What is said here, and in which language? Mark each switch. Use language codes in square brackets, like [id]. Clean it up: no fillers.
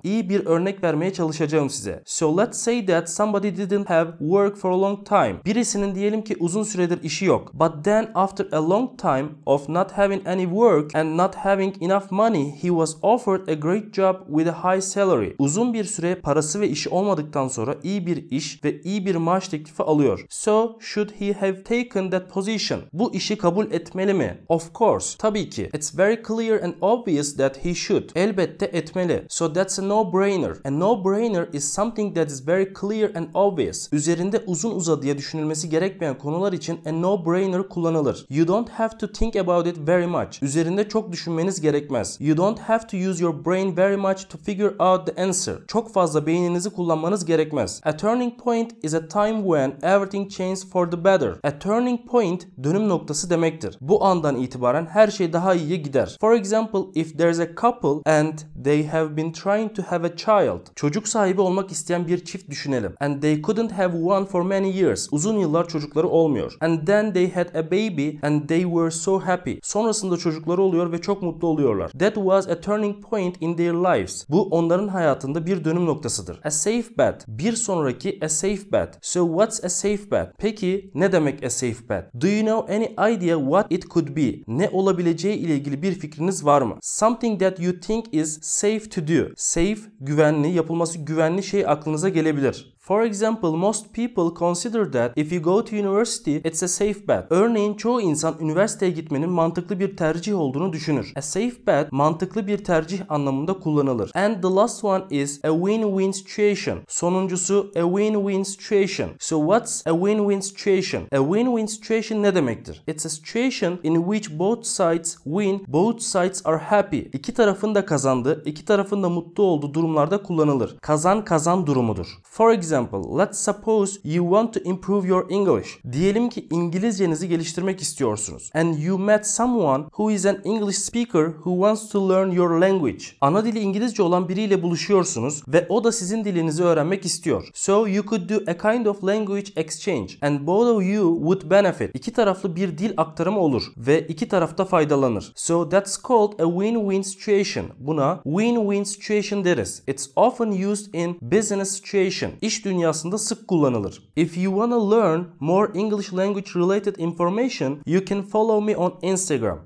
[tr] İyi bir örnek vermeye çalışacağım size. [en] So let's say that somebody didn't have work for a long time. [tr] Birisinin diyelim ki uzun süredir işi yok. [en] But then after a long time of not having any work and not having enough money, he was offered a great job with a high salary. [tr] Uzun bir süre parası ve işi olmadıktan sonra iyi bir iş ve iyi bir maaş teklifi alıyor. [en] So should he have taken that position? [tr] Bu işi kabul etmeli mi? [en] Of course. [tr] Tabii ki. [en] It's very clear and obvious that he should. [tr] Elbette etmeli. [en] So that's a no-brainer. A no-brainer is something that is very clear and obvious. [tr] Üzerinde uzun uzadıya düşünülmesi gerekmeyen konular için a no-brainer kullanılır. [en] You don't have to think about it very much. [tr] Üzerinde çok düşünmeniz gerekmez. [en] You don't have to use your brain very much to figure out the answer. [tr] Çok fazla beyninizi kullanmanız gerekmez. [en] A turning point is a time when everything changes for the better. [tr] A turning point dönüm noktası demektir. Bu andan itibaren her şey daha iyiye gider. [en] For example, if there's a couple and they have been trying to have a child. [tr] Çocuk sahibi olmak isteyen bir çift düşünelim. [en] And they couldn't have one for many years. [tr] Uzun yıllar çocukları olmuyor. [en] And then they had a baby and they were so happy. [tr] Sonrasında çocukları oluyor ve çok mutlu oluyorlar. [en] That was a turning point in their lives. [tr] Bu onların hayatında bir dönüm noktasıdır. A safe bet. Bir sonraki a safe bet. [en] So what's a safe bet? [tr] Peki ne demek [en] a safe bet? Do you know any idea what it could be? [tr] Ne olabileceği ile ilgili bir fikriniz var mı? [en] Something that you think is safe to do. Safe, [tr] güvenli, yapılması güvenli şey aklınıza gelebilir. [en] For example, most people consider that if you go to university, it's a safe bet. [tr] Örneğin çoğu insan üniversiteye gitmenin mantıklı bir tercih olduğunu düşünür. A safe bet, mantıklı bir tercih anlamında kullanılır. [en] And the last one is a win-win situation. [tr] Sonuncusu [en] a win-win situation. So what's a win-win situation? A win-win situation [tr] ne demektir? [en] It's a situation in which both sides win, both sides are happy. [tr] İki tarafın da kazandığı, iki tarafın da mutlu olduğu durumlarda kullanılır. Kazan-kazan durumudur. [en] For example, let's suppose you want to improve your English. [tr] Diyelim ki İngilizcenizi geliştirmek istiyorsunuz. [en] And you met someone who is an English speaker who wants to learn your language. [tr] Ana dili İngilizce olan biriyle buluşuyorsunuz ve o da sizin dilinizi öğrenmek istiyor. [en] So you could do a kind of language exchange and both of you would benefit. [tr] İki taraflı bir dil aktarımı olur ve iki tarafta faydalanır. [en] So that's called a win-win situation. [tr] Buna win-win situation deriz. [en] It's often used in business situation. [tr] İş dünyasında sık kullanılır. [en] If you wanna learn more English language related information, you can follow me on Instagram.